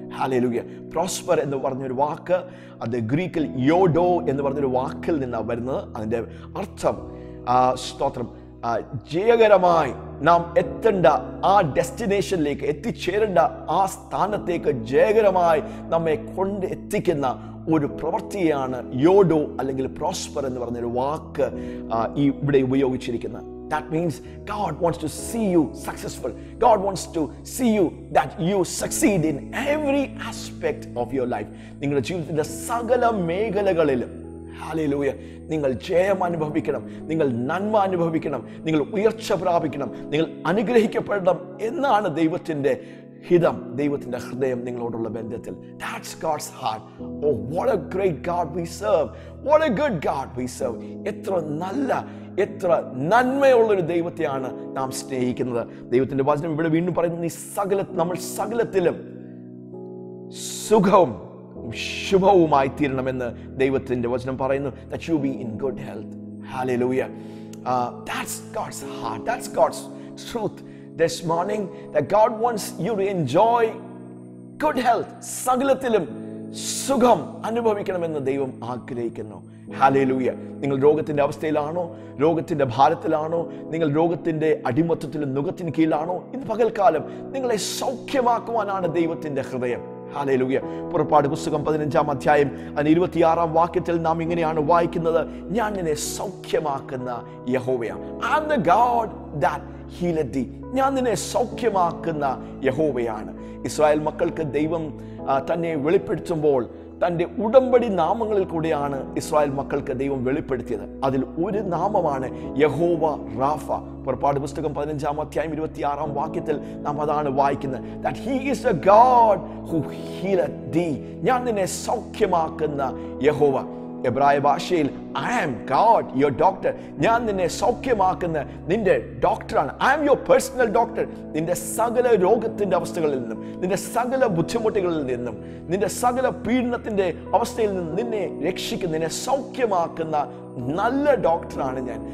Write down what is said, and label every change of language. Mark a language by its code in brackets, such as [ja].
[en] Hallelujah. [ml] Prosper എന്ന് പറഞ്ഞ ഒരു വാക്ക് അത് ഗ്രീക്കിൽ യോഡോ എന്ന് പറഞ്ഞൊരു വാക്കിൽ നിന്നാണ് വരുന്നത്. അതിൻ്റെ അർത്ഥം സ്തോത്രം, ജയകരമായി നാം എത്തേണ്ട ആ ഡെസ്റ്റിനേഷനിലേക്ക്, എത്തിച്ചേരേണ്ട ആ സ്ഥാനത്തേക്ക് ജയകരമായി നമ്മെ കൊണ്ട് എത്തിക്കുന്ന ഒരു പ്രവൃത്തിയാണ് യോഡോ അല്ലെങ്കിൽ പ്രോസ്പർ എന്ന് പറഞ്ഞൊരു വാക്ക് ഇവിടെ ഉപയോഗിച്ചിരിക്കുന്നത്. [en] That means God wants to see you successful. God wants to see you that you succeed in every aspect of your life. [ml] നിങ്ങളുടെ ജീവിതത്തിലെ സകല മേഖലകളിലും ഹല്ലേലൂയ നിങ്ങൾ ജയം അനുഭവിക്കണം, നിങ്ങൾ നന്മ അനുഭവിക്കണം, നിങ്ങൾ ഉയർച്ച പ്രാപിക്കണം, നിങ്ങൾ അനുഗ്രഹിക്കപ്പെടണം എന്നാണ് ദൈവത്തിൻ്റെ ഹിതം, ദൈവത്തിൻ്റെ ഹൃദയം നിങ്ങളോടുള്ള ബന്ധത്തിൽ. [en] That's God's heart. Oh, what a great God we serve. What a good God we serve. [ml] എത്ര നല്ല, എത്ര നന്മയുള്ളൊരു ദൈവത്തെയാണ് നാം സ്നേഹിക്കുന്നത്. ദൈവത്തിൻ്റെ വചനം ഇവിടെ വീണ്ടും പറയുന്നു, നമ്മൾ സകലത്തിലും സുഖവും ശുഭവുമായി തീരണമെന്ന് ദൈവത്തിൻ്റെ വചനം പറയുന്നു. [en] That you be in good health. Hallelujah. That's God's heart. That's God's truth. This morning, that God wants you to enjoy good health. [ml] സകലത്തിലും സുഖം അനുഭവിക്കണമെന്ന് ദൈവം ആഗ്രഹിക്കുന്നു. ഹല്ലേലൂയ. നിങ്ങൾ രോഗത്തിൻ്റെ അവസ്ഥയിലാണോ, രോഗത്തിൻ്റെ ഭാരത്തിലാണോ, നിങ്ങൾ രോഗത്തിൻ്റെ അടിമത്തത്തിലും നുഖത്തിന് കീഴിലാണോ, ഇന്ന് പകൽക്കാലം നിങ്ങളെ സൗഖ്യമാക്കുവാനാണ് ദൈവത്തിൻ്റെ ഹൃദയം. ഹല്ലേലൂയ. പുറപ്പാട് പുസ്തകം 15-ാം അധ്യായം അതിന് 26-ാം വാക്യത്തിൽ നാം ഇങ്ങനെയാണ് വായിക്കുന്നത്, ഞാൻ നിന്നെ സൗഖ്യമാക്കുന്ന യഹോവയാണ്. [en] I'm the God that healed thee. [ml] ഞാൻ നിന്നെ സൗഖ്യമാക്കുന്ന യഹോവയാണ്. ഇസ്രായേൽ മക്കൾക്ക് ദൈവം തന്നെ വെളിപ്പെടുത്തുമ്പോൾ തൻ്റെ ഉടമ്പടി നാമങ്ങളിൽ കൂടെയാണ് ഇസ്രായേൽ മക്കൾക്ക് ദൈവം വെളിപ്പെടുത്തിയത്. അതിൽ ഒരു നാമമാണ് യഹോവ റാഫ. പുറപ്പാട് പുസ്തകം 15-ാം അധ്യായം 26-ാം വാക്യത്തിൽ നാം അതാണ് വായിക്കുന്നത്. [en] That he is a God who healed thee. [ml] ഞാൻ നിന്നെ സൗഖ്യമാക്കുന്ന യഹോവ. എബ്രായ ഭാഷയിൽ [en] I am God your doctor, [ml] ഞാൻ നിന്നെ സൗഖ്യമാക്കുന്ന നിന്റെ ഡോക്ടറാണ്. [en] I am your personal doctor. [ml] നിന്റെ സകല രോഗത്തിൻ്റെ അവസ്ഥകളിൽ നിന്നും, നിന്റെ സകല ബുദ്ധിമുട്ടുകളിൽ നിന്നും, നിന്റെ സകല പീഡനത്തിൻ്റെ അവസ്ഥയിൽ നിന്നും നിന്നെ രക്ഷിക്കുന്ന, നിന്നെ സൗഖ്യമാക്കുന്ന നല്ല ഡോക്ടറാണ് ഞാൻ.